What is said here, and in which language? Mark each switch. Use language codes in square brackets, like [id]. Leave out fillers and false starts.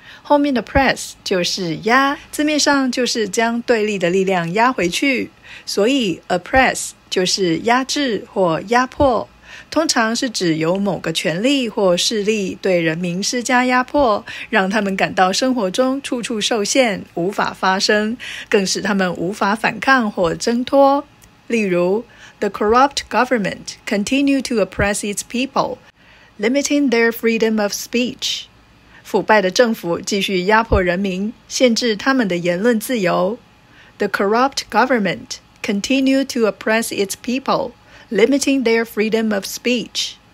[zh] 后面的 press 就是压，字面上就是将对立的力量压回去，所以 oppress 就是压制或压迫，通常是指由某个权力或势力对人民施加压迫，让他们感到生活中处处受限，无法发声，更使他们无法反抗或挣脱。 [en] 例如 ,The corrupt government continue to oppress its people, limiting their freedom of speech. [zh] 腐败的政府继续压迫人民，限制他们的言论自由。 [en] The corrupt government continue to oppress its people,limiting their freedom of speech.